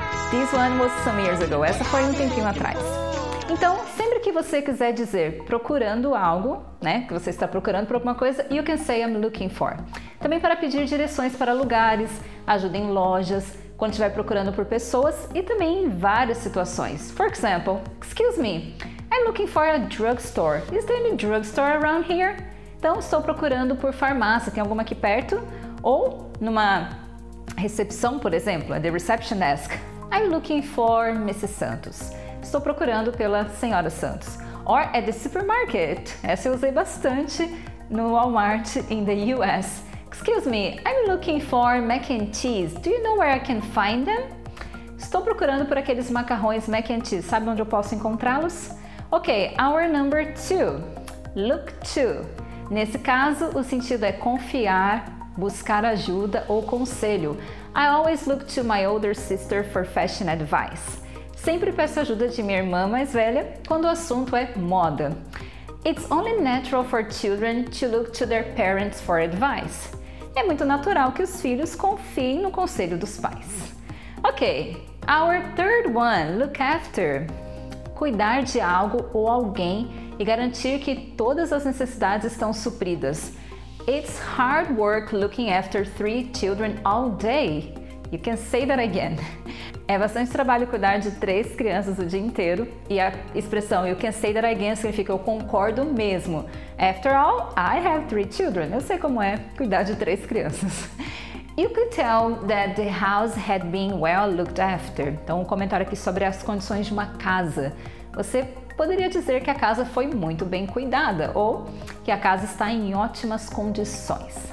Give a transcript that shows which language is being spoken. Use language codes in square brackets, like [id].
[en] This one was some years ago. [pt] Essa foi um tempinho atrás. Então, sempre que você quiser dizer procurando algo, né? Que você está procurando por alguma coisa, [en] you can say I'm looking for. [pt] Também para pedir direções para lugares, ajuda em lojas, quando estiver procurando por pessoas e também em várias situações. [en] For example, excuse me, I'm looking for a drugstore. Is there any drugstore around here? [pt] Então, estou procurando por farmácia. Tem alguma aqui perto? Ou numa recepção, por exemplo, [en] at the reception desk. I'm looking for Mrs. Santos. [pt] Estou procurando pela senhora Santos. [en] Or at the supermarket. [pt] Essa eu usei bastante no Walmart [en] in the US. Excuse me, I'm looking for mac and cheese. Do you know where I can find them? [pt] Estou procurando por aqueles macarrões mac and cheese. Sabe onde eu posso encontrá-los? [en] Ok, our number two. Look to. [pt] Nesse caso, o sentido é confiar, buscar ajuda ou conselho. [en] I always look to my older sister for fashion advice. [pt] Sempre peço ajuda de minha irmã mais velha quando o assunto é moda. [en] It's only natural for children to look to their parents for advice. [pt] É muito natural que os filhos confiem no conselho dos pais. [en] Ok, our third one, look after. [pt] Cuidar de algo ou alguém e garantir que todas as necessidades estão supridas. [en] It's hard work looking after 3 children all day. You can say that again. [pt] É bastante trabalho cuidar de 3 crianças o dia inteiro. E a expressão [en] you can say that again [pt] significa eu concordo mesmo. [en] After all, I have 3 children. [pt] Eu sei como é cuidar de 3 crianças. [en] You could tell that the house had been well looked after. [pt] Então, um comentário aqui sobre as condições de uma casa. Você poderia dizer que a casa foi muito bem cuidada ou que a casa está em ótimas condições.